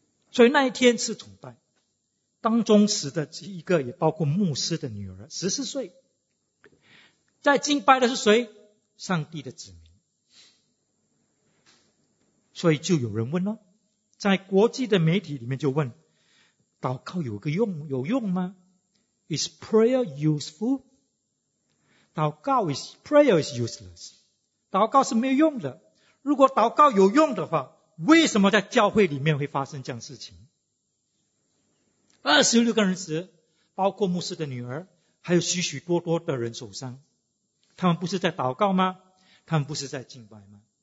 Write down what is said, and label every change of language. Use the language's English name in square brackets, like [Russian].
[Chinese] 所以那一天是崇拜，当中死的一个也包括牧师的女儿14岁。在敬拜的是谁？上帝的子民。所以就有人问了，在国际的媒体里面就问，祷告有个用，有用吗？ [English] Is prayer useful? 祷告 is, prayer is useless. [Chinese] 祷告是没有用的。如果祷告有用的话，为什么在教会里面会发生这样事情？ 26个人死，包括牧师的女儿，还有许许多多的人受伤。他们不是在祷告吗？他们不是在敬拜吗？